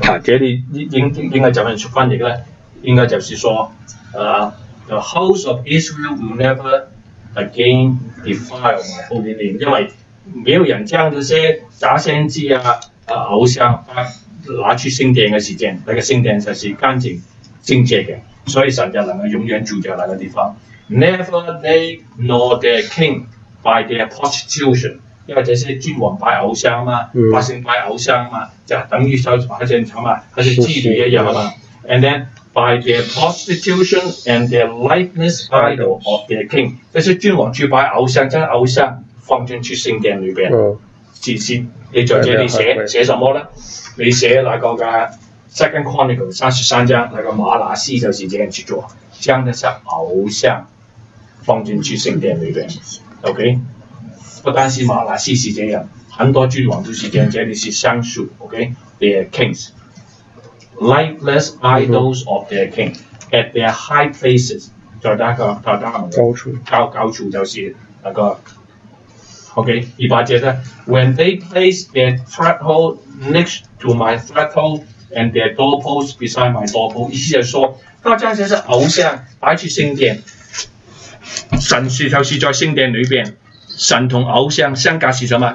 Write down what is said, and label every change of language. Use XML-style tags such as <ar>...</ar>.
<zh>啊，这里应该怎么去翻译呢？应该就是说，</zh> <en>The house of Israel will never again defile my holy name，</en> <zh>因为没有人将这些假先知啊偶像啊拿出圣殿的时间，那个圣殿就是干净清洁的，所以神就能够永远住在那个地方。</zh> <en>Never they nor their king by their prostitution，</en> <zh>因为这些君王拜偶像嘛，百姓拜偶像嘛，就等于说好像什么还是妓女一样嘛。</zh> <en>And then by their prostitution and their likeness idol of their king，</en> <zh>这些君王去拜偶像，将偶像放进去圣殿里面。是你在这里写什么呢？你写那个的 Second Chronicle 33章，那个马拿西就是这样去做，将那些偶像放进去圣殿里面 ，OK？不单是马拿西是这样，很多君王都是这样，这里是上述 ，OK？</zh> <en>They are kings, lifeless idols of their king at their high places，</en> <zh>在那个高处就是那个。 OK， 第八节的 ，</zh> <en>When they place their threshold next to my threshold and their doorposts beside my doorpost，</en> <zh>意思就是说，大家就是偶像摆去圣殿，神是就是在圣殿里边，神同偶像相隔是什么？</zh>